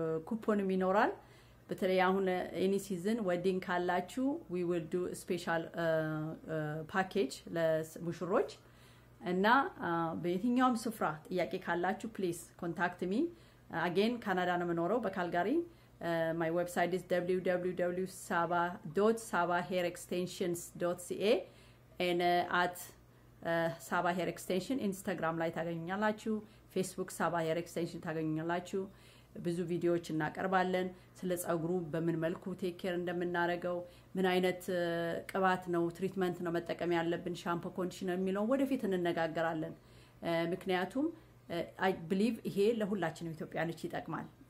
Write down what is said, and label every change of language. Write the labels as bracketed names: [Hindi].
[Amharic] ኩፖንም ይኖራል በተለይ አሁን ኤኒ ሲዝን ዌዲንግ ካላችሁ [English] we will do special package [Amharic] ለሙሽሮች እና በየትኛውም ስፍራ ጥያቄ ካላችሁ [English] please contact me. [Amharic] again ካናዳ ነው የምኖረው በካልጋሪ. [English] my website is www.saba.sabahairextensions.ca and at saba hair extension instagram [Amharic] ላይ ታገኛላችሁ. facebook saba hair extension ታገኛላችሁ. ብዙ ቪዲዮዎች እናቀርባለን ስለ ጸጉሩ በምን መልኩ ቴክ ኬር እንደምናረጋው ምን አይነት ቅባት ነው ትሪትመንት ነው መጠቀም ያለብን ሻምፖ ኮንዲሽነር የሚለውን ወደፊት እንነጋገራለን. ምክንያቱም አይ ቢሊቭ ይሄ ለሁላችንም ኢትዮጵያኖች ይጠቅማል.